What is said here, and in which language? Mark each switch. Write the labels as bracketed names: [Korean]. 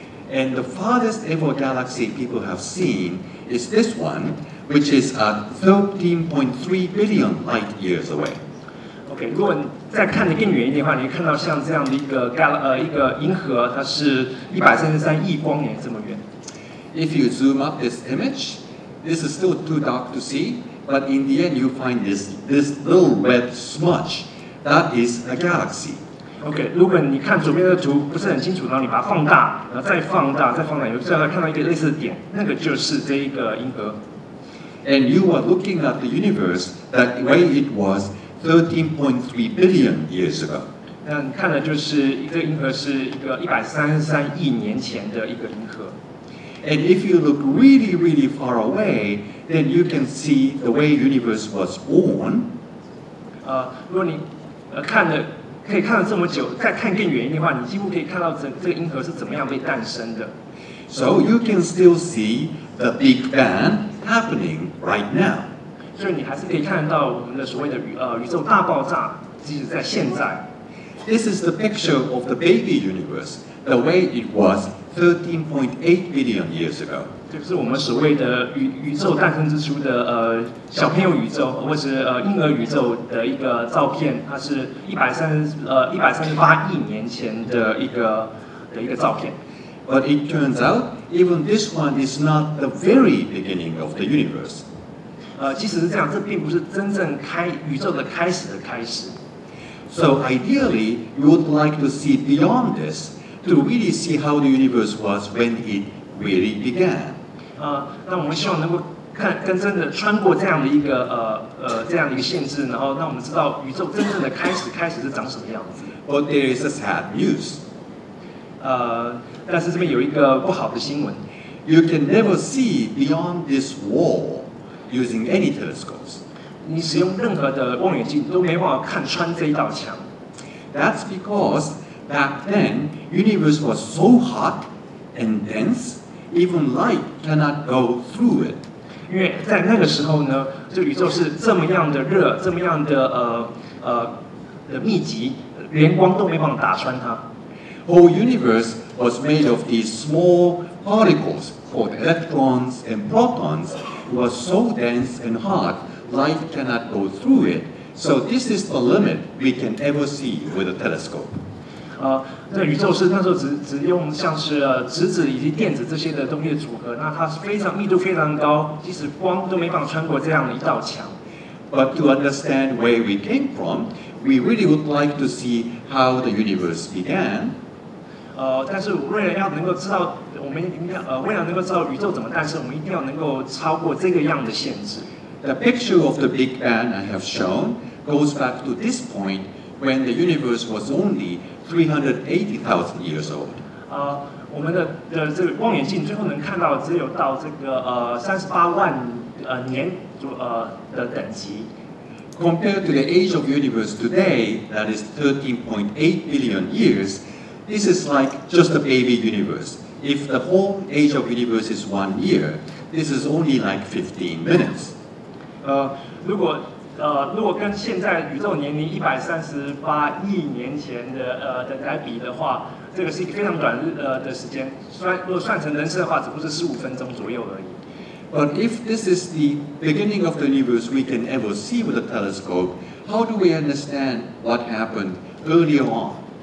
[English] And the farthest ever galaxy people have seen is this one, which is at 13.3 billion light years away. [Chinese] Okay, 如果你再看得更远一点的话，你会看到像这样的一个银河，它是133亿光年这么远。 [English] if you zoom up this image, this is still too dark to see, but in the end you find this little red smudge. That is a galaxy. [Chinese] OK, 如果你看左边的图不是很清楚，然后你把它放大，然后再放大，再放大，有时候看到一个类似的点，那个就是这一个银河。 [English] And you are looking at the universe that way it was 13.3 billion years ago. [Chinese] 那你看的就是这个银河是一个133亿年前的一个银河。 [English] And if you look really, really far away, then you can see the way universe was born. [Chinese] 如果你看的可以看到这么久，再看更远的话，你几乎可以看到这个银河是怎么样被诞生的。 [English] So you can still see the Big Bang happening right now. [Chinese] 所以你还是可以看到我们的所谓的宇宙大爆炸，即使在现在。 [English] This is the picture of the baby universe, the way it was 13.8 billion years ago. [Chinese] 这是我们所谓的宇宙诞生之初的小朋友宇宙，或是婴儿宇宙的一个照片，它是138亿年前的一个照片。 [English] But it turns out, even this one is not the very beginning of the universe. [Chinese] 即使是这样，这并不是真正宇宙的开始的开始。 [English] So ideally, you would like to see beyond this to really see how the universe was when it really began. [Chinese] 那我们希望能够跟真的穿过这样的一个限制，然后让我们知道宇宙真正的开始是长什么样子。 [English] But there is a sad news. [Chinese] 但是这边有一个不好的新闻。 [English] You can never see beyond this wall using any telescopes. [Chinese] 你使用任何的望远镜都没办法看穿这一道墙。 [English] That's because back then, universe was so hot and dense, even light cannot go through it. [Chinese] 因为在那个时候呢，这宇宙是这么样的热，这么样的的密集，连光都没办法打穿它。 [English] Whole universe was made of these small particles called electrons and protons. It was so dense and hot, light cannot go through it. So this is the limit we can ever see with a telescope. [Chinese] 这宇宙是那时候只用像是质子以及电子这些的东西的组合，那它是非常密度非常高，即使光都没办法穿过这样的一道墙。 [English] But to understand where we came from, we really would like to see how the universe began. [Chinese] 但是为了要能够知道我们应该为了能够知道宇宙怎么诞生，我们一定要能够超过这个样的限制。 [English] The picture of the Big Bang I have shown goes back to this point when the universe was only 380,000 years old. [Chinese] 我们的这个望远镜最后能看到只有到这个38万年的等级。 [English] Compared to the age of universe today, that is 13.8 billion years. This is like just a baby universe. If the whole age of universe is 1 year, this is only like 15 minutes. [Chinese] 如果跟现在宇宙年龄138亿年前的来比的话，这个是一个非常短的时间。如果算成人生的话，只不过是15分钟左右而已。 [English] But if this is the beginning of the universe we can ever see with a telescope, how do we understand what happened earlier on?